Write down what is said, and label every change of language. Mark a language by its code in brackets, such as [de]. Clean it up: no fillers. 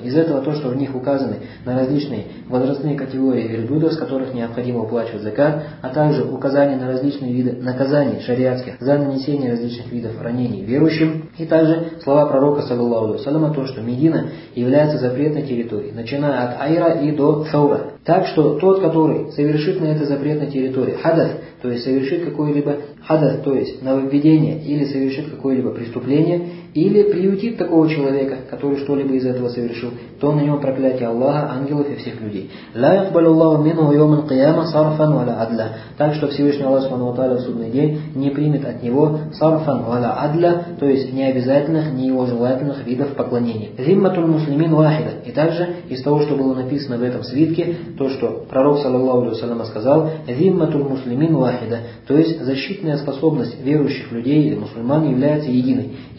[ru] Из этого то, что в них указаны на различные возрастные категории верблюдов, с которых необходимо уплачивать закат, а также указания на различные виды наказаний шариатских за нанесение различных видов ранений верующим, и также слова пророка, [ar] саллаллаху алейхи ва саллям, [ru] то, что Медина является запретной территорией, начиная от Айра и до Саура. Так что тот, который совершит на этой запретной территории хадас, то есть совершит какое-либо хадас, то есть нововведение, или совершит какое-либо преступление, или приютит такого человека, который что-либо из этого совершил, то на него проклятие Аллаха, ангелов и всех людей. [ar] لا يقبل الله منه يوم القيامة صرفا ولا عدلا. [ru] Так что Всевышний Аллах Субхану ва Тааля в судный день не примет от него [ar] صرفا ولا عدلا, [ru] то есть ни обязательных, ни его желательных видов поклонения. [ar] Зиммату муслимин вахида. [ru] И также из того, что было написано в этом свитке, то, что пророк [ar] саллаллаху алейхи ва саллям [ru] сказал, [ar] зиммату муслимин вахида, [ru] то есть защитная способность верующих людей или мусульман является единой.